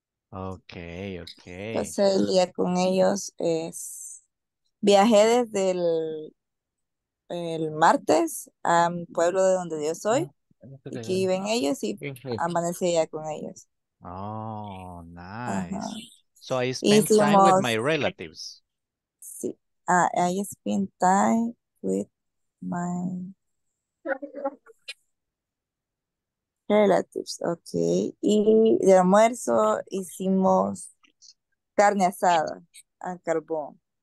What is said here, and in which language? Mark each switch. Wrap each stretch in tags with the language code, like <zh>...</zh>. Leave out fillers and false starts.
<en>Okay, okay.</en> <es>Pasé el día con ellos. Viajé desde el martes a un pueblo de donde yo soy. Aquí viven ellos y amanecí ya con ellos.</es> <en>Oh, nice. Uh-huh. So I spent time with my relatives. Sí, I spent time with my relatives, okay.</en> <es>Y de almuerzo hicimos carne asada a carbón.</es>